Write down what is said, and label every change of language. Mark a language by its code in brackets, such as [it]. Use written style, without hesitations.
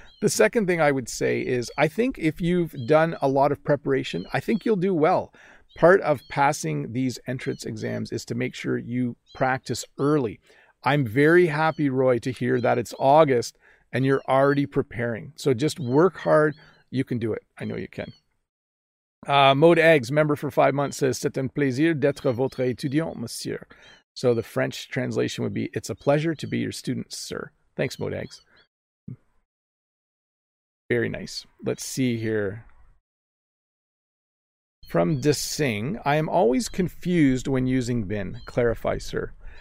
[en] The second thing I would say is, I think if you've done a lot of preparation, I think you'll do well. Part of passing these entrance exams is to make sure you practice early. I'm very happy, Roy, to hear that it's August and you're already preparing. So just work hard. You can do it. I know you can. [fr] Mode Eggs, [en] member for 5 months, says, [fr] c'est un plaisir d'être votre étudiant, monsieur. [en] So the French translation would be, it's a pleasure to be your student, sir. Thanks, Mode Eggs. Very nice. Let's see here. From Desing, I am always confused when using been. Clarify, sir.